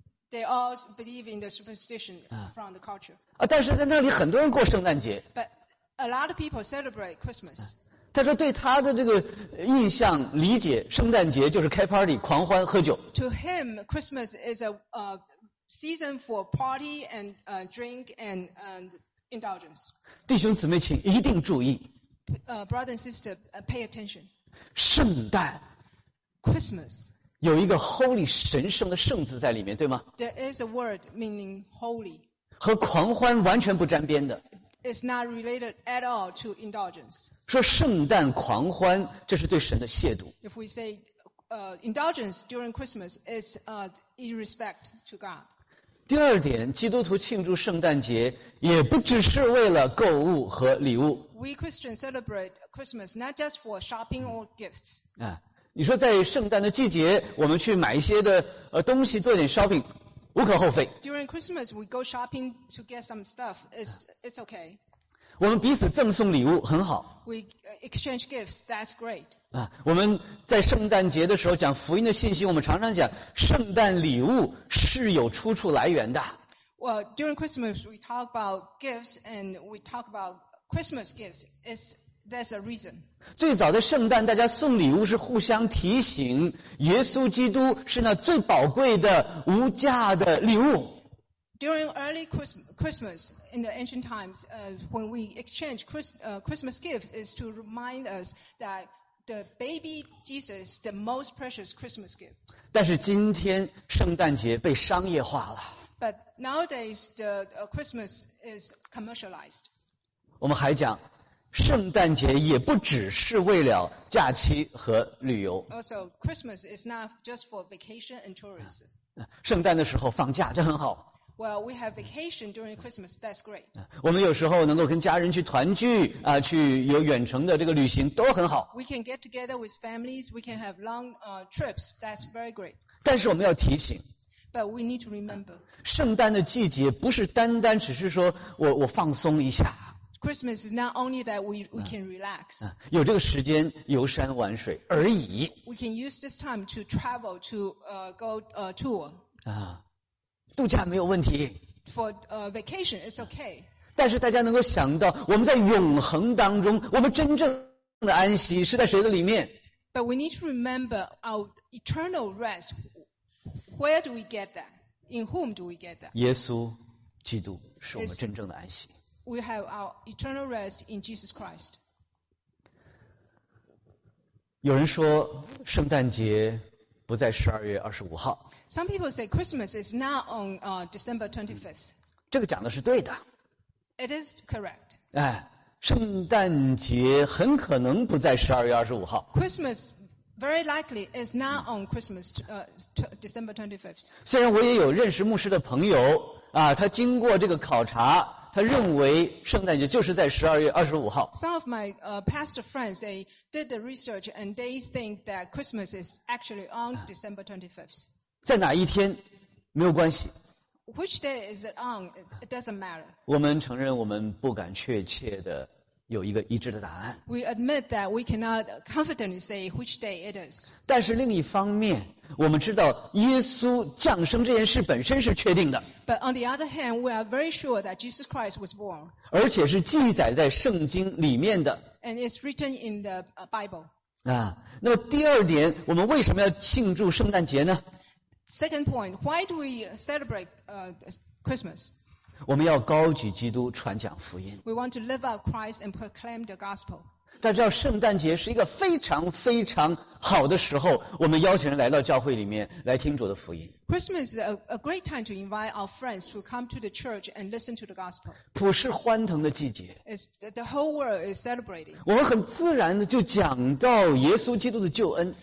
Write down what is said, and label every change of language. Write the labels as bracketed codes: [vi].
[en] They all believe in the superstition from the culture. [zh] 但是在那里很多人过圣诞节。 [en] But a lot of people celebrate Christmas. [zh] 他说对他的这个印象理解，圣诞节就是开 party 狂欢喝酒。 [en] To him, Christmas is a season for party and drink and indulgence. [zh] 弟兄姊妹请一定注意。 [en] Brother and sister, pay attention. [zh] 圣诞。 [en] Christmas. [zh] 有一个 holy 神圣的圣字在里面，对吗？ [en] There is a word meaning holy. [zh] 和狂欢完全不沾边的。 [en] It's not related at all to indulgence. [zh] 说圣诞狂欢，这是对神的亵渎。 [en] If we say indulgence during Christmas is irrespect to God. [zh] 第二点，基督徒庆祝圣诞节也不只是为了购物和礼物。 [en] We Christians celebrate Christmas not just for shopping or gifts. [zh] 你说在圣诞的季节，我们去买一些的东西做点 shopping， 无可厚非。 [en] During Christmas, we go shopping to get some stuff. It's okay. [zh] 我们彼此赠送礼物很好。 [en] We exchange gifts. That's great. [zh] 我们在圣诞节的时候讲福音的信息，我们常常讲圣诞礼物是有出处来源的。 [en] Well, during Christmas, we talk about gifts and we talk about Christmas gifts. There's a reason. [zh] 最早的圣诞，大家送礼物是互相提醒，耶稣基督是那最宝贵的、无价的礼物。 [en] During early Christmas, in the ancient times, when we exchange Christmas gifts, is to remind us that the baby Jesus the most precious Christmas gift. [zh] 但是今天圣诞节被商业化了。 [en] But nowadays the Christmas is commercialized. [zh] 我们还讲圣诞节也不只是为了假期和旅游。 [en] Also, Christmas is not just for vacation and tourism. [zh] 圣诞的时候放假，这很好。 [en] Well, we have vacation during Christmas. That's great. [zh] 我们有时候能够跟家人去团聚啊，去有远程的这个旅行都很好。 [en] We can get together with families. We can have long trips. That's very great. [zh] 但是我们要提醒。 [en] But we need to remember. [zh] 圣诞的季节不是单单只是说我放松一下。 [en] Christmas is not only that we can relax. [zh] 有这个时间游山玩水而已。 [en] We can use this time to travel to go tour. [zh] 啊。度假没有问题。 [en] For vacation, it's okay. [zh] 但是大家能够想到，我们在永恒当中，我们真正的安息是在谁的里面 [en] ？But we need to remember our eternal rest. Where do we get that? In whom do we get that? [zh] 耶稣基督是我们真正的安息。 [en] We have our eternal rest in Jesus Christ. [zh] 有人说，圣诞节不在12月25号。 [en] Some people say Christmas is not on December 25th. [zh] 这个讲的是对的。 [en] It is correct. [zh] 哎，圣诞节很可能不在12月25号。 [en] Christmas very likely is not on Christmas December 25th. [zh] 虽然我也有认识牧师的朋友啊，他经过这个考察，他认为圣诞节就是在12月25号。 [en] Some of my pastor friends they did the research and they think that Christmas is actually on December 25th. [zh] 在哪一天没有关系。 [en] Which day is it on? It doesn't matter. [zh] 我们承认我们不敢确切的有一个一致的答案。 [en] We admit that we cannot confidently say which day it is. [zh] 但是另一方面，我们知道耶稣降生这件事本身是确定的。 [en] But on the other hand, we are very sure that Jesus Christ was born. [zh] 而且是记载在圣经里面的。 [en] And it's written in the Bible. [zh] 啊，那么第二点，我们为什么要庆祝圣诞节呢？ [en] Second point, why do we celebrate Christmas? [zh] 我们要高举基督，传讲福音。 [en] We want to live out Christ and proclaim the gospel. [zh] 大家知道圣诞节是一个非常非常好的时候，我们邀请人来到教会里面来听主的福音。 [en] Christmas is a great time to invite our friends to come to the church and listen to the gospel. [zh] 普世欢腾的季节。 [en] It's the whole world is celebrating. [zh] 我们很自然的就讲到耶稣基督的救恩。